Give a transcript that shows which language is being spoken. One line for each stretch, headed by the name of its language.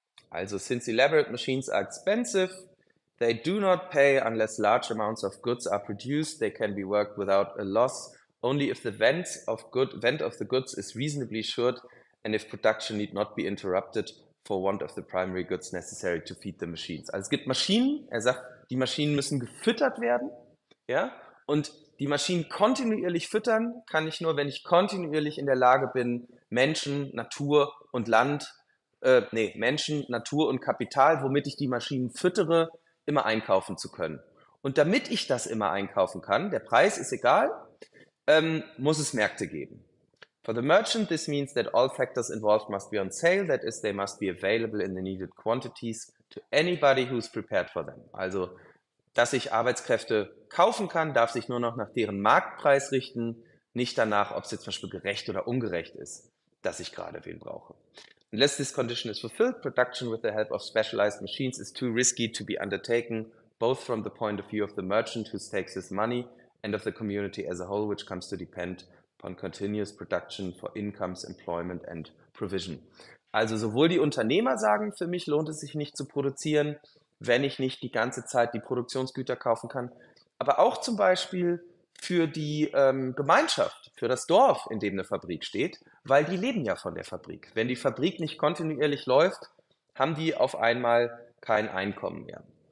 English: Also, since elaborate machines are expensive, they do not pay unless large amounts of goods are produced. They can be worked without a loss. Only if the vent of the goods is reasonably short and if production need not be interrupted for want of the primary goods necessary to feed the machines.
German: Also es gibt Maschinen, er sagt, die Maschinen müssen gefüttert werden, ja, und die Maschinen kontinuierlich füttern kann ich nur, wenn ich kontinuierlich in der Lage bin, Menschen, Natur und Kapital, womit ich die Maschinen füttere, immer einkaufen zu können. Und damit ich das immer einkaufen kann, der Preis ist egal, muss es Märkte geben.
English: For the merchant, this means that all factors involved must be on sale, that is, they must be available in the needed quantities to anybody who's prepared for them.
German: Also, dass ich Arbeitskräfte kaufen kann, darf sich nur noch nach deren Marktpreis richten, nicht danach, ob es jetzt zum Beispiel gerecht oder ungerecht ist, dass ich gerade wen brauche.
English: Unless this condition is fulfilled, production with the help of specialized machines is too risky to be undertaken, both from the point of view of the merchant who stakes his money and of the community as a whole, which comes to depend upon continuous production for incomes, employment and provision.
German: Also sowohl die Unternehmer sagen, für mich lohnt es sich nicht zu produzieren, wenn ich nicht die ganze Zeit die Produktionsgüter kaufen kann, aber auch zum Beispiel für die Gemeinschaft, für das Dorf, in dem eine Fabrik steht, weil die leben ja von der Fabrik. Wenn die Fabrik nicht kontinuierlich läuft, haben die auf einmal kein Einkommen mehr.